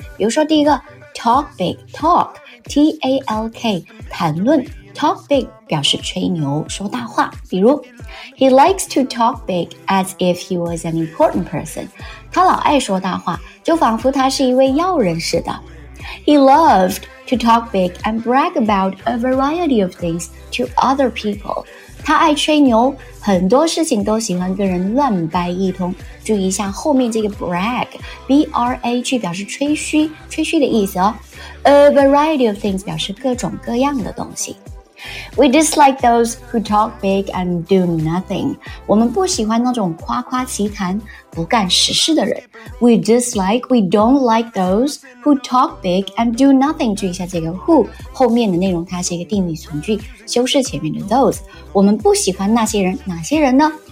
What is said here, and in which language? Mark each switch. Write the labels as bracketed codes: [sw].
[zh] 比如说第一个 talk big， talk T-A-L-K 谈论，Talk big 表示吹牛，说大话。 [en] 比如 He likes to talk big as if he was an important person. [zh] 他老爱说大话，就仿佛他是一位要人似的。 [en] He loved to talk big and brag about a variety of things to other people. [zh] 他爱吹牛，很多事情都喜欢跟人乱掰一通。注意一下后面这个 brag, B-R-A-G 表示吹嘘，吹嘘的意思哦。 [en] A variety of things [zh] 表示各种各样的东西。 [en] We dislike those who talk big and do nothing. [zh] 我们不喜欢那种夸夸其谈不干实事的人。 [en] We don't like those who talk big and do nothing. [zh] 注意一下这个 who 后面的内容，它是一个定语从句，修饰前面的 those。我们不喜欢那些人，哪些人呢？